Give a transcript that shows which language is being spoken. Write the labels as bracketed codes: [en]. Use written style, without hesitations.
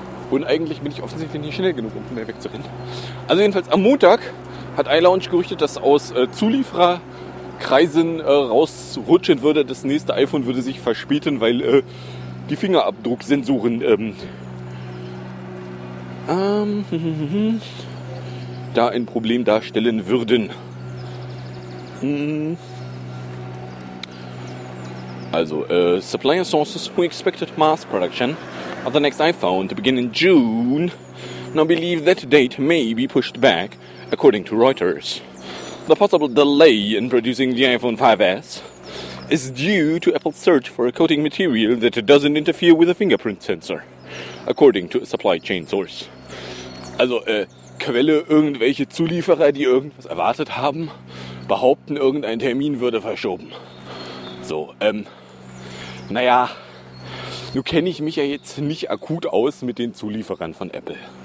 [de] Und eigentlich bin ich offensichtlich nicht schnell genug, um von der wegzurennen. Also jedenfalls am Montag hat iLaunch gerüchtet, dass aus Zuliefererkreisen rausrutschen würde, das nächste iPhone würde sich verspäten, weil die Fingerabdrucksensoren da ein Problem darstellen würden. [en] Also, supplier sources who expected mass production of the next iPhone to begin in June now believe that date may be pushed back, according to Reuters. The possible delay in producing the iPhone 5S is due to Apple's search for a coating material that doesn't interfere with a fingerprint sensor, according to a supply chain source. [de] Also, Quelle, irgendwelche Zulieferer, die irgendwas erwartet haben, behaupten, irgendein Termin würde verschoben. So, naja, nun kenne ich mich ja jetzt nicht akut aus mit den Zulieferern von Apple.